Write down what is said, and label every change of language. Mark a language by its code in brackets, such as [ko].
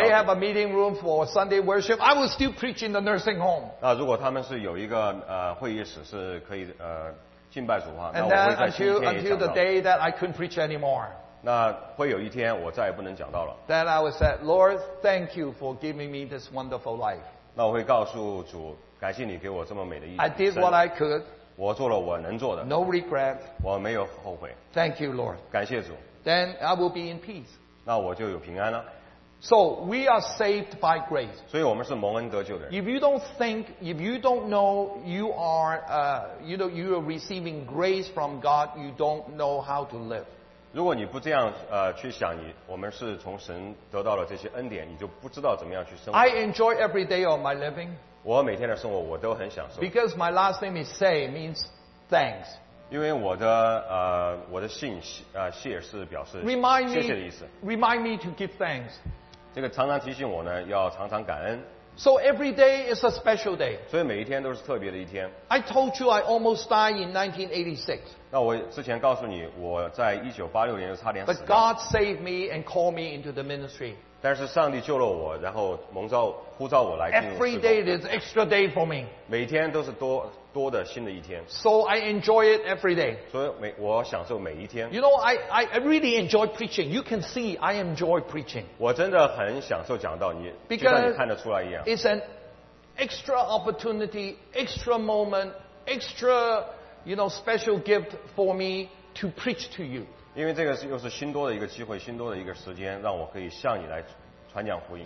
[en] If they have a meeting room for Sunday worship, I will still preach in the nursing home. [zh] 那如果他们是有一个, 会议室, 是可以, [en] And then until the day that I couldn't preach anymore. [zh] 那会有一天我再也不能讲到了。 [en] Then I would say, Lord, thank you for giving me this wonderful life. [zh] 那我会告诉主, 感谢你给我这么美的一生。 [en] I did what I could. [zh] 我做了我能做的。 [en] No regret. [zh] 我没有后悔。 [en] Thank you, Lord. [zh] 感谢主。 [en] Then I will be in peace. [zh] 那我就有平安了。 [en] So we are saved by grace. [zh] 所以我们是蒙恩得救的人。 [en] If you don't think, if you don't know you are, you know, you are receiving grace from God, you don't know how to live. [zh] 如果你不这样, 去想, 我们是从神得到了这些恩典, 你就不知道怎么样去生活。 [en] I enjoy every day of my living. [zh] 我每天的生活, 我都很享受。 [en] Because my last name is Say, means thanks. [zh] 因为我的, 我的姓, 谢是表示, [en] remind [zh] 谢谢的意思。 [en] Remind me to give thanks. [zh] 这个常常提醒我呢, 要常常感恩。 [en] So every day is a special day. [zh] 所以每一天都是特别的一天。 [en] I told you I almost died in 1986. [zh] 那我之前告诉你, 我在1986年就差点死了。 [en] But God saved me and called me into the ministry. [zh] 但是上帝救了我, 然后蒙召, 呼召我来进入事工。 [en] Every day is an extra day for me. [zh] 每天都是多, 多的新的一天。 [en] So I enjoy it every day. [zh] 所以我享受每一天。 [en] You know, I really enjoy preaching. You can see I enjoy preaching. [zh] 我真的很享受讲道, 你, [en] Because [zh] 就像你看得出来一样, [en] it's an extra opportunity, extra moment, extra, you know, special gift for me to preach to you. [zh] 因为这个又是新多的一个机会, 新多的一个时间, 让我可以向你来传讲福音。